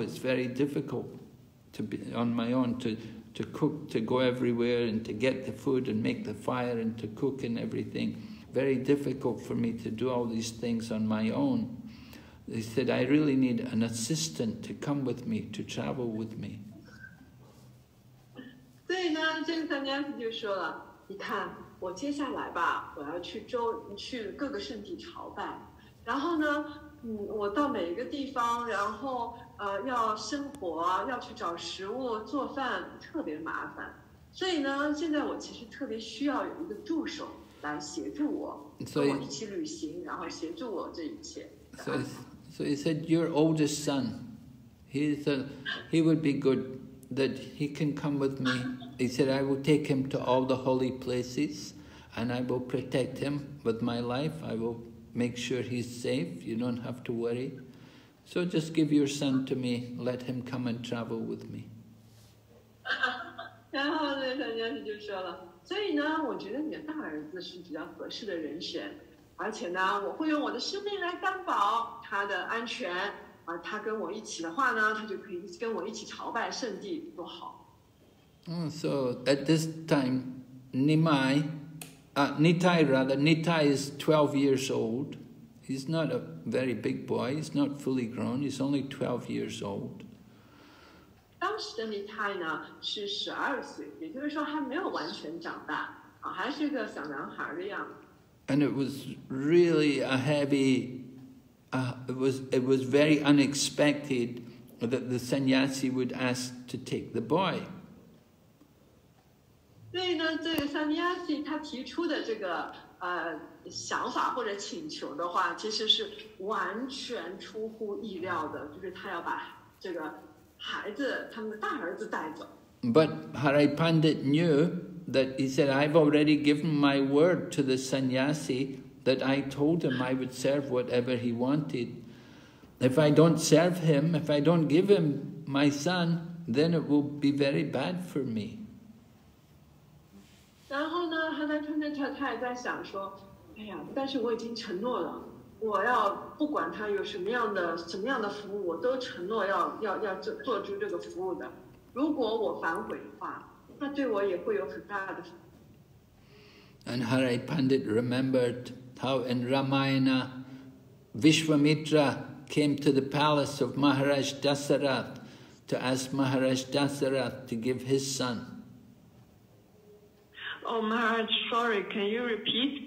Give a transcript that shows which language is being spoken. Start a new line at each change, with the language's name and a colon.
English: It's very difficult to be on my own to cook, to go everywhere and to get the food and make the fire and to cook and everything. Very difficult for me to do all these things on my own." They said, "I really need an assistant to come with me, to travel with me."
Chinese: 所以呢，这个三娘子就说了，你看，我接下来吧，我要去各个圣地朝拜，然后呢，我到每一个地方，然后要生活，要去找食物做饭，特别麻烦。所以呢，现在我其实特别需要有一个助手来协助我，跟我一起旅行，然后协助我这一切。
English: So he said, "Your oldest son, he would be good that he can come with me." He said, "I will take him to all the holy places, and I will protect him with my life. I will." Make sure he's safe, you don't have to worry. So just give your son to me, let him come and travel with me.
Chinese: 然后呢，三娘子就说了，所以呢，我觉得你的大儿子是比较合适的人选，而且呢，我会用我的生命来担保他的安全，他跟我一起的话呢，他就可以跟我一起朝拜圣地，多好。
English: So at this time, Nitai is 12 years old. He's not a very big boy. He's not fully grown. He's only 12 years old.
Chinese: 当时的 Nitai 呢是十二岁，也就是说还没有完全长大，还是个小男孩的样子。
English: And it was really a heavy. It was very unexpected that the sannyasi would ask to take the boy.
Chinese: 所以呢，这个 Sanyasi 他提出的这个想法或者请求的话，其实是完全出乎意料的，就是他要把这个孩子，他们的大儿子带走。
English: But Harai Pandit knew that he said, "I've already given my word to the Sanyasi that I told him I would serve whatever he wanted. If I don't serve him, if I don't give him my son, then it will be very bad for me."
Chinese: 然后呢，他在吞吞吐吐，他也在想说，哎呀，但是我已经承诺了，我要不管他有什么样的服务，我都承诺要做出这个服务的。如果我反悔的话，那对我也会有很大的。
English: And Harai Pandit remembered how in Ramayana, Vishwamitra came to the palace of Maharaj Dasarath to ask Maharaj Dasarath to give his son. Oh, Maharaj, sorry, can you repeat?